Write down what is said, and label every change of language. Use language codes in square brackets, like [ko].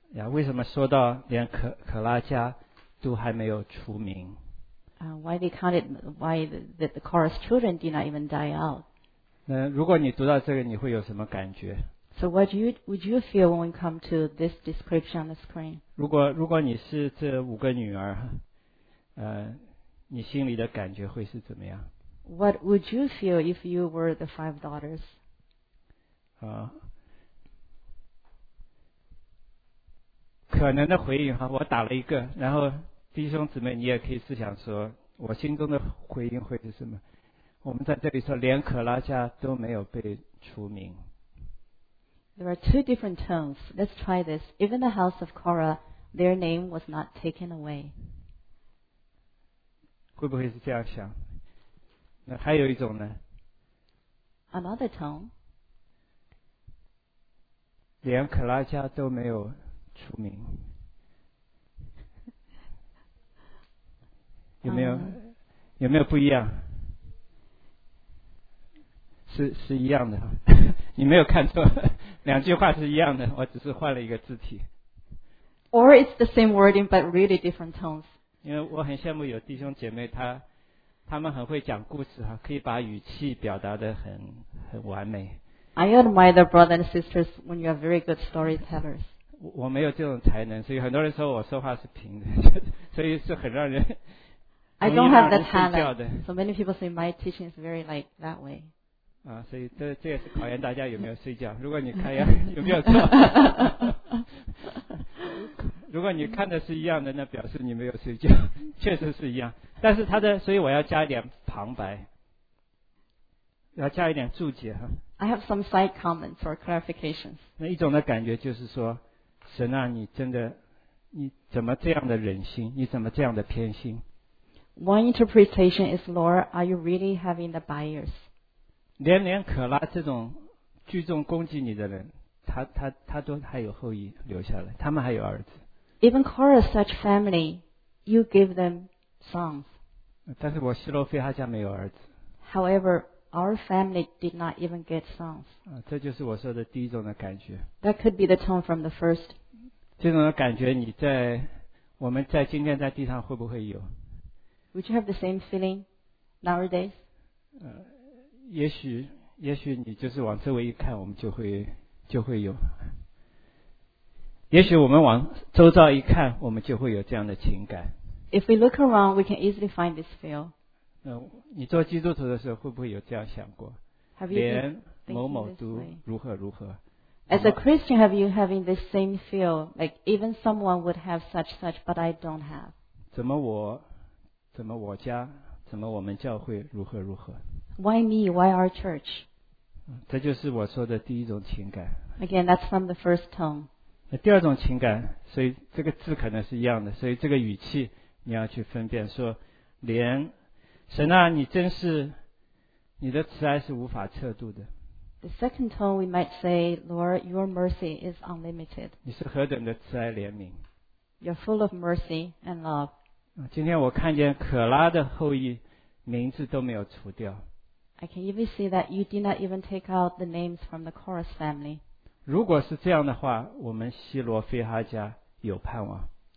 [zh] 为什么说到连可拉家都还没有除名？ [en] Why the Korah's children did not even die out? [zh] 那如果你读到这个，你会有什么感觉？ [en] So what would you feel when we come to this description on the screen? [zh] 如果你是这五个女儿，你心里的感觉会是怎么样？ [en] What would you feel if you were the five daughters? [zh] 可能的回应哈，我打了一个，然后。弟兄姊妹，你也可以思想说，我心中的回应会是什么？我们在这里说，连可拉家都没有被除名。 [en] There are two different tones. Let's try this. Even the house of Korah, their name was not taken away. [zh] 会不会是这样想？那还有一种呢？ [en] Another tone. [zh] 连可拉家都没有除名。有没有不一样？是一样的，你没有看错，两句话是一样的，我只是换了一个字体。 [en] Or it's the same wording but really different tones. [zh] 因为我很羡慕有弟兄姐妹，他们很会讲故事哈，可以把语气表达得很完美。 [en] I admire the brothers and sisters when you are very good storytellers. [zh] 我没有这种才能，所以很多人说我说话是平的，所以是很让人。 [en] I don't have the talent. So many people say my teaching is very like that way. [zh] 所以这也是考验大家有没有睡觉。如果你看有没有错，如果你看的是一样的，那表示你没有睡觉，确实是一样。但是所以我要加一点旁白，要加一点注解哈。 [en] I have some side comments or clarifications. [zh] 那一种的感觉就是说，神啊，你真的，你怎么这样的忍心？你怎么这样的偏心？ [en] One interpretation is, Lord, are you really having the bias? [zh] 连连可拉这种聚众攻击你的人，他都还有后裔留下来，他们还有儿子。 [en] Even Korah such family, you give them sons. [zh] 但是我希罗菲他家没有儿子。 [en] However, our family did not even get sons. [zh] 这就是我说的第一种的感觉。 [en] That could be the tone from the first. [zh] 这种的感觉，你在我们在今天在地上会不会有？ [en] Would you have the same feeling nowadays? [zh] 也许你就是往周围一看，我们就会有。也许我们往周遭一看，我们就会有这样的情感。 [en] If we look around, we can easily find this feel. [zh] 你做基督徒的时候会不会有这样想过？ [en] Have you [zh] 连某某都如何如何 [en] ？As a Christian, have you having this same feel? Like even someone would have such such, but I don't have. [zh] 怎么我家？怎么我们教会如何如何 [en] ？Why me? Why our church? [zh] 这就是我说的第一种情感。 [en] Again, that's from the first tone. [zh] 第二种情感，所以这个字可能是一样的，所以这个语气你要去分辨，说连神啊，你真是你的慈爱是无法测度的。 [en] The second tone we might say, Lord, your mercy is unlimited. [zh] 你是何等的慈爱怜悯。 [en] You're full of mercy and love. [zh] 今天我看见可拉的后裔名字都没有除掉。 [en] I can even see that you did not even take out the names from the Korah family. [zh] 如果是这样的话，我们希罗非哈家有盼望。